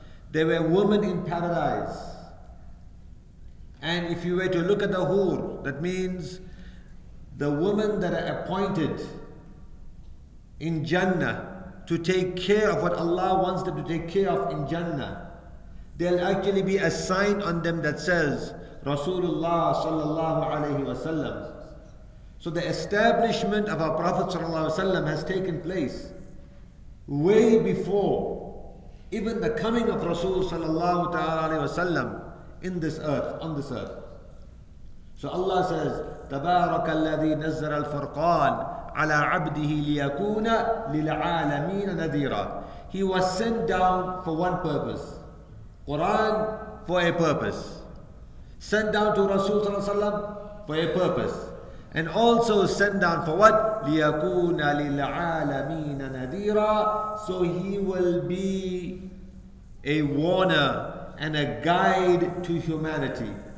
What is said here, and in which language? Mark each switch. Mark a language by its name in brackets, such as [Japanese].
[English] There were women in paradise, and if you were to look at the hoor, that means the women that are appointed in Jannah to take care of what Allah wants them to take care of in Jannah, there'll actually be a sign on them that says Rasulullah sallallahu alayhi wa sallam. So the establishment of our Prophet sallallahu alayhi wa sallam has taken place way before even the coming of Rasul sallallahu alayhi wa sallam in this earth, on this earth. So Allah says, [Arabic] تبارك الذي نزل الفرقان على عبده ليكون للعالمين نذيرا. [English] He was sent down for one purpose. Quran for a purpose. Sent down to Rasul sallallahu alayhi wa sallam for a purpose. And also sent down for what? [Arabic] ليكون للعالمين نذيرا. [English] So he will be a warner and a guide to humanity.